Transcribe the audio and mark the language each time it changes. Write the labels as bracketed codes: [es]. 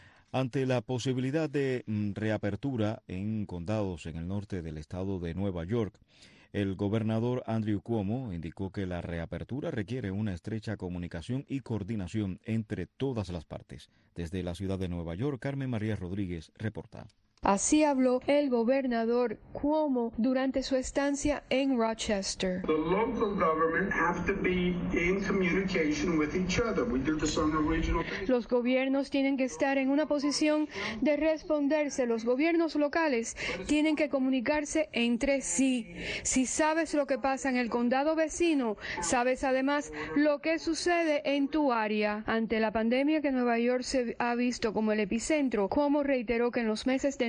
[es] Ante la posibilidad de reapertura en condados en el norte del estado de Nueva York, el gobernador Andrew Cuomo indicó que la reapertura requiere una estrecha comunicación y coordinación entre todas las partes. Desde la ciudad de Nueva York, Carmen María Rodríguez reporta. Así habló el gobernador Cuomo durante su estancia en Rochester. [en] The local government have to be in communication with each other. We did this on a regional. [es] Los gobiernos tienen que estar en una posición de responderse. Los gobiernos locales tienen que comunicarse entre sí. Si sabes lo que pasa en el condado vecino, sabes además lo que sucede en tu área. Ante la pandemia que Nueva York se ha visto como el epicentro, Cuomo reiteró que en los meses de